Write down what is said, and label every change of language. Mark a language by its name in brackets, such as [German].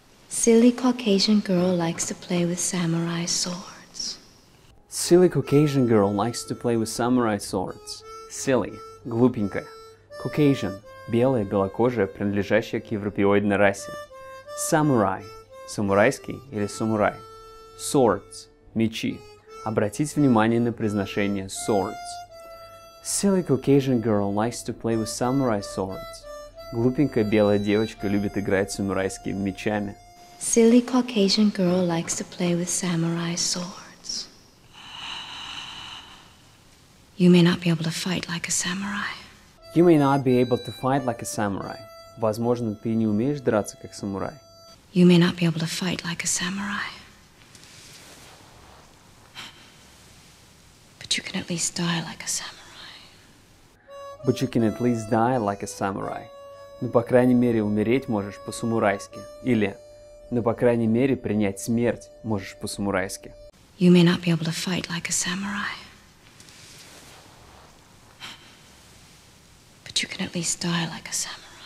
[English] Silly Caucasian girl likes to play with samurai swords. Silly Caucasian girl likes to play with samurai swords. [Russian] Silly, глупенькая. Caucasian, белая, белокожая, принадлежащая к европеоидной расе. Samurai, самурайский или самурай. Swords, мечи. Обратите внимание на произношение swords. [English] Silly Caucasian girl likes to play with samurai swords. [Russian] Глупенькая белая девочка любит играть самурайскими мечами. [English] Silly Caucasian girl likes to play with samurai swords. You may not be able to fight like a samurai. You may not be able to fight like a samurai. [Russian] Возможно, ты не умеешь драться как самурай. [English] You may not be able to fight like a samurai. But you can at least die like a samurai. But you can at least die like a samurai. [Russian] Ну, по крайней мере, умереть можешь по-самурайски. Или, ну, по крайней мере, принять смерть можешь по-самурайски. [English] You may not be able to fight like a samurai. But you can at least die like a samurai.